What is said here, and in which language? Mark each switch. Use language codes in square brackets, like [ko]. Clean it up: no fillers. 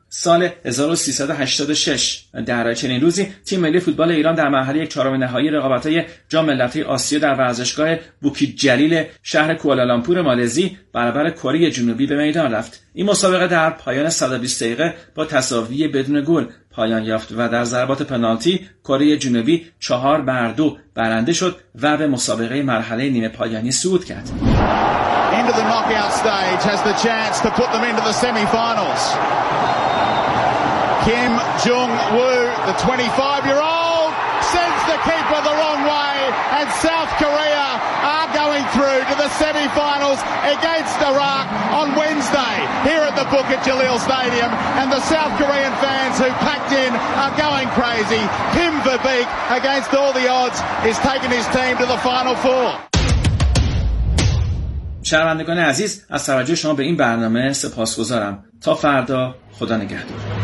[fa] سال 1386 در چنین روزی تیم ملی فوتبال ایران در مرحله 1/4 نهایی رقابت‌های جام ملت‌های آسیا در ورزشگاه بوکیت جلیل شهر کوالالامپور مالزی برابر کره جنوبی به میدان رفت. این مسابقه در پایان 120 دقیقه با تساوی بدون گل پایان یافت و در ضربات پنالتی کره جنوبی 4-2 برنده شد و به مسابقه مرحله نیمه پایانی صعود کرد. [en] Into the knockout stage has the chance to put them into the semi-finals. Kim Jong-woo, the 25-year-old, sends the keeper the wrong way and South Korea are going through to the semi-finals against Iraq on Wednesday here at the Bukit Jalil Stadium and the South Korean fans who packed in are going crazy. Kim Verbeek, against all the odds, is taking his team to the final four. [fa] شنوندگان عزیز، از توجه شما به این برنامه سپاسگزارم. تا فردا، خدا نگهدار.